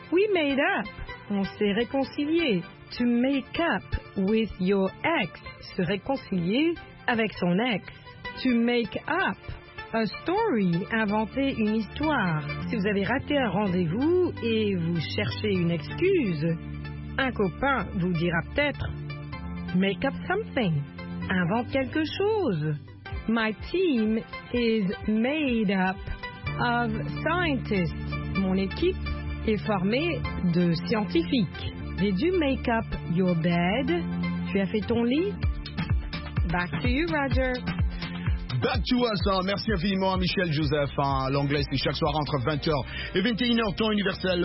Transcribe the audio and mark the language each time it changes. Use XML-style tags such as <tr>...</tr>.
<en>We made up,</en> <fr>on s'est réconcilié.</fr> <en>To make up with your ex,</en> <fr>se réconcilier avec son ex.</fr> <en>To make up, a story,</en> <fr>inventer une histoire. Si vous avez raté un rendez-vous et vous cherchez une excuse, un copain vous dira peut-être,</fr> <en>make up something,</en> <fr>invente quelque chose.</fr> <en>My team is made up of scientists.</en> <fr>Mon équipe est formée de scientifiques.</fr> <en>Did you make up your bed?</en> <fr>Tu as fait ton lit?</fr> <en>Back to you, Roger. Back to us. Hein.</en> <fr>Merci infiniment à Michel Joseph. Hein. L'anglais, c'est chaque soir entre 20h et 21h, temps universel.</fr>